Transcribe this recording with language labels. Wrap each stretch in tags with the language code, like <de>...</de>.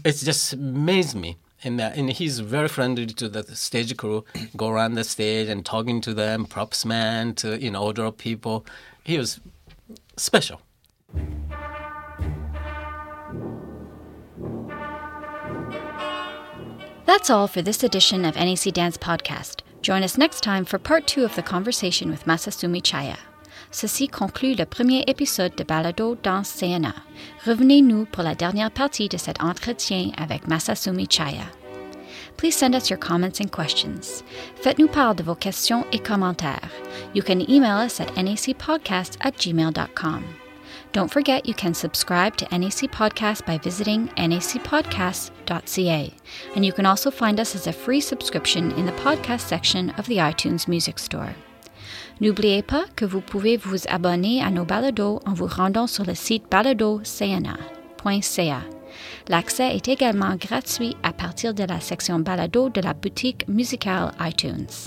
<en>It just amazed me. And he's very friendly to the stage crew, go around the stage and talking to them, props man, to, you know, order people. He was special. That's all for this edition of NEC Dance Podcast. Join us next time for part two of the conversation with Masasumi Chaya.</en> <fr>Ceci conclut le premier épisode de Balado dans CNA. Revenez-nous pour la dernière partie de cet entretien avec Masasumi Chaya.</fr> <en>Please send us your comments and questions.</en> <fr>Faites-nous part de vos questions et commentaires.</fr> <en>You can email us at nacpodcast@gmail.com. Don't forget you can subscribe to NAC Podcast by visiting nacpodcast.ca. And you can also find us as a free subscription in the podcast section of the iTunes Music Store.</en> <fr>N'oubliez pas que vous pouvez vous abonner à nos balados en vous rendant sur le site baladocna.ca. L'accès est également gratuit à partir de la section balado de la boutique musicale iTunes.</fr>